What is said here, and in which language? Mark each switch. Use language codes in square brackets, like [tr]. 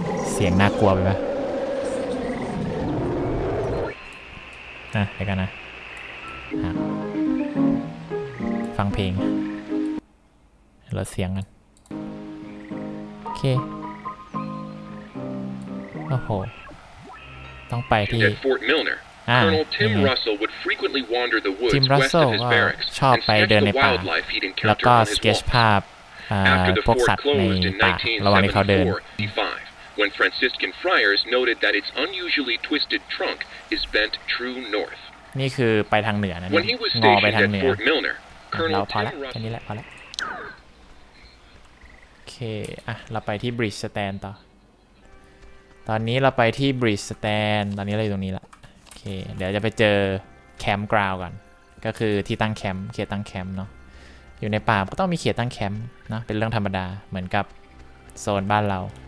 [th] เสียงน่ากลัวไปป่ะนะเดี๋ยวกันนะฟังเพลงลดเสียงกันโอเคโอ้โหต้องไปที่ [en] Fort Milner Colonel Tim Russell would frequently wander the woods west of his barracks [th] ชอบไปเดินในป่าแล้วก็สเกจภาพพวกสัตว์ในป่าระหว่างที่เขาเดิน [en] when Franciscan friars noted that its unusually twisted trunk is bent true north [th] นี่คือไปทางเหนือนะเนี่ยงอไปทางเหนือเราพอแล้วแค่นี้แหละพอแล้วโอเคอ่ะเราไปที่บริดจ์สแตนต่อตอนนี้เราไปที่บริดจ์สแตนตอนนี้เราอยู่ตรงนี้ละโอเคเดี๋ยวจะไปเจอแคมป์กราวก่อนก็คือที่ตั้งแคมป์เขตตั้งแคมป์เนาะอยู่ในป่าก็ต้องมีเขตตั้งแคมป์นะเป็นเรื่องธรรมดาเหมือนกับโซนบ้านเรา